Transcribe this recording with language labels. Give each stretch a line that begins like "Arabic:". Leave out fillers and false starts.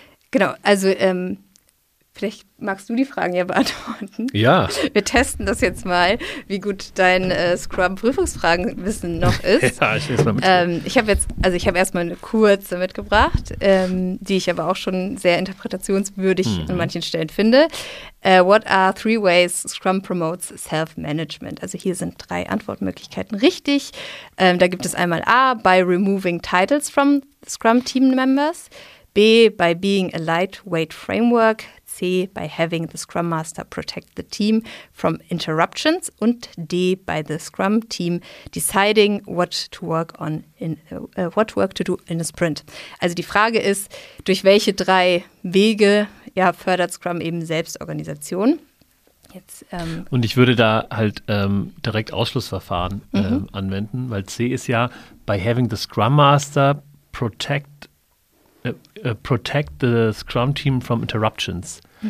German: Genau, also vielleicht magst du die Fragen ja beantworten. Ja. Wir testen das jetzt mal, wie gut dein Scrum-Prüfungsfragenwissen noch ist. Ja, ich lese mal mit. Ich habe erstmal eine kurze mitgebracht, die ich aber auch schon sehr interpretationswürdig an manchen Stellen finde.
English: What are three ways Scrum promotes self-management?
German: Also hier sind drei Antwortmöglichkeiten richtig. Da gibt es einmal A,
English: by removing titles from Scrum Team Members. B, by being a lightweight framework. C, by having the Scrum Master protect the team from interruptions.
German: Und
English: D, by the Scrum Team deciding what work to do in a sprint.
German: Also die Frage ist, durch welche drei Wege fördert Scrum eben Selbstorganisation? Jetzt, und ich würde da halt direkt Ausschlussverfahren anwenden, weil C ist ja,
English: by having the Scrum Master protect the Scrum Team from interruptions.